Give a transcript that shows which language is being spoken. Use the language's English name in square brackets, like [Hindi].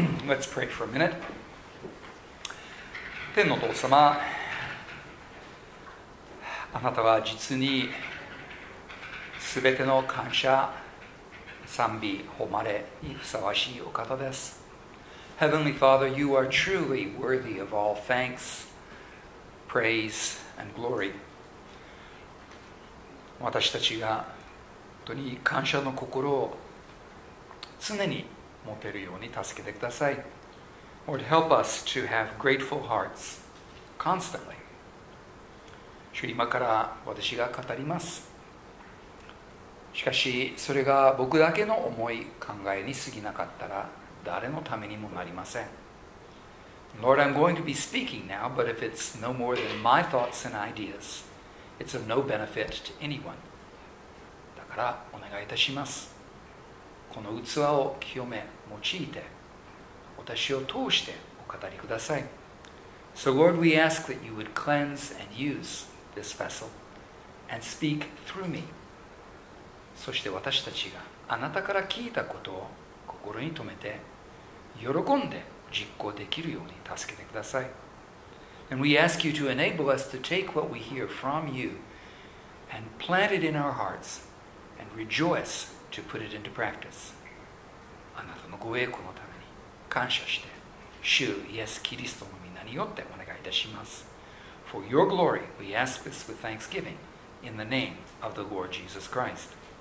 [English] Let's pray for a minute. [Japanese] 天のお父様、あなたは実にすべての感謝、賛美、誉れにふさわしいお方です。 [English] Heavenly Father, you are truly worthy of all thanks, praise, and glory. [Japanese] 私たちが本当に感謝の心を常に持てるように助けてください。 [English] Lord, help us to have grateful hearts constantly. [Japanese] 主、今から私が語ります。しかし、それが僕だけの思い、考えに過ぎなかったら、誰のためにもなりません。 [English] Lord, I'm going to be speaking now, but if it's no more than my thoughts and ideas, it's of no benefit to anyone. [Japanese] だから、お願いいたします。この器を清め、用いて、私を通してお語りください。 [English] So Lord, we ask that you would cleanse and use this vessel, and speak through me. [Japanese] そして私たちがあなたから聞いたことを心に留めて喜んで実行できるように助けてください。 [English] And we ask you to enable us to take what we hear from you and plant it in our hearts and rejoice to put it into practice. [Japanese] あなたのご栄光のために感謝して、主イエス・キリストの御名によってお願いいたします。 [English] For your glory, we ask this with thanksgiving in the name of the Lord Jesus Christ.